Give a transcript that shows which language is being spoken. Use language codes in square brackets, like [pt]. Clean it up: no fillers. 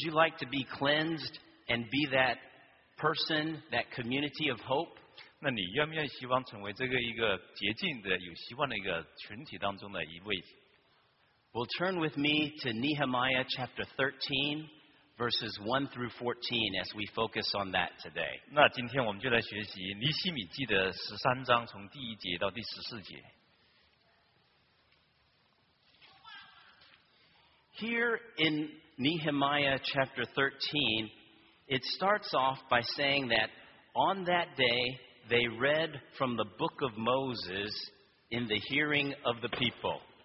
[en] you like to be cleansed and be that person, that community of hope? [zh] 那你愿不愿意希望成为这个一个洁净的、有希望的一个群体当中的一位？ [en] We'll turn with me to Nehemiah chapter 13, verses 1 through 14 as we focus on that today. [zh] 那今天我们就来学习尼希米记的13章，从第1节到第14节。 [en] Here in Nehemiah chapter 13, it starts off by saying that on that day, they read from the book of Moses in the hearing of the people.